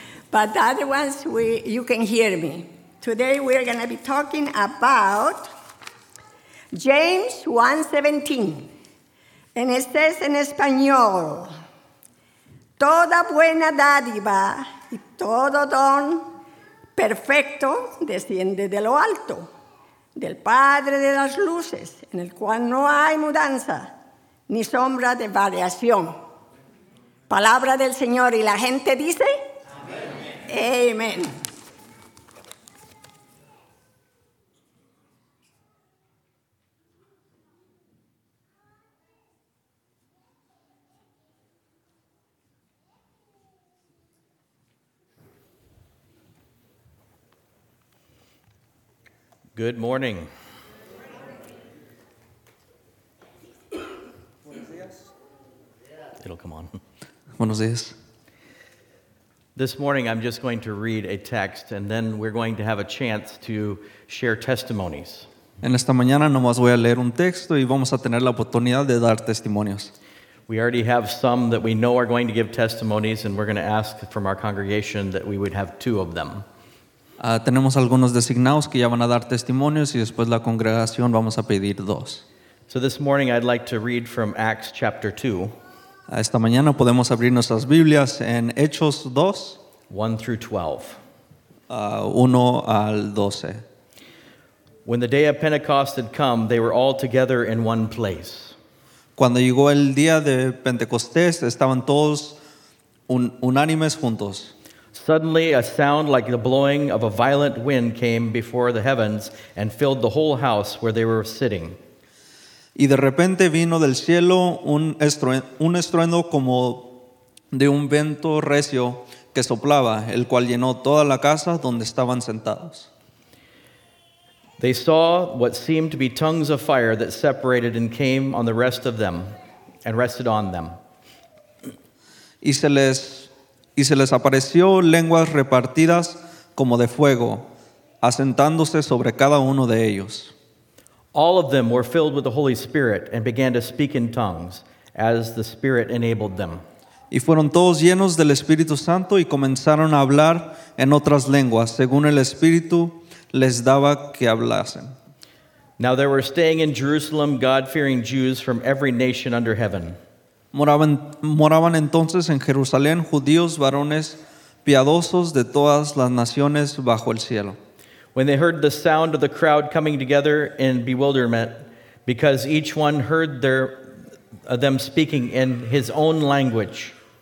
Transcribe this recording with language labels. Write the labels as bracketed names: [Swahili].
[English] But the other ones, you can hear me. Today we're going to be talking about James 1:17. [Spanish] En este es en español. Toda buena dádiva y todo don perfecto desciende de lo alto, del Padre de las luces, en el cual no hay mudanza ni sombra de variación. Palabra del Señor. Y la gente dice: Amén. Amén. [English] Good morning. It'll come on. [Spanish] Buenos días. [English] This morning I'm just going to read a text and then we're going to have a chance to share testimonies. [Spanish] En esta mañana nomás voy a leer un texto y vamos a tener la oportunidad de dar testimonios. [English] We already have some that we know are going to give testimonies and we're going to ask from our congregation that we would have two of them. [Spanish] Tenemos algunos designados que ya van a dar testimonios y después la congregación vamos a pedir dos. [English] So this morning I'd like to read from Acts chapter 2. [Spanish] Esta mañana podemos abrir nuestras Biblias en Hechos 2. [English] 1 through 12. [Spanish] 1 al 12. [English] When the day of Pentecost had come, they were all together in one place. [Spanish] Cuando llegó el día de Pentecostés, estaban todos unánimes juntos. [English] Suddenly, a sound like the blowing of a violent wind came before the heavens and filled the whole house where they were sitting. [Spanish] Y de repente vino del cielo un estruendo como de un viento recio que soplaba, el cual llenó toda la casa donde estaban sentados. [English] They saw what seemed to be tongues of fire that separated and came on the rest of them and rested on them. [Spanish] Y se les apareció lenguas repartidas como de fuego, asentándose sobre cada uno de ellos. [English] All of them were filled with the Holy Spirit and began to speak in tongues as the Spirit enabled them. [Spanish] Y fueron todos llenos del Espíritu Santo y comenzaron a hablar en otras lenguas, según el Espíritu les daba que hablasen. [English] Now there were staying in Jerusalem God-fearing Jews from every nation under heaven. [Spanish] Moraban entonces en Jerusalén judíos varones piadosos de todas las naciones bajo el cielo. [English] When they heard the sound of the crowd coming together in bewilderment, because each one heard them speaking in his own language.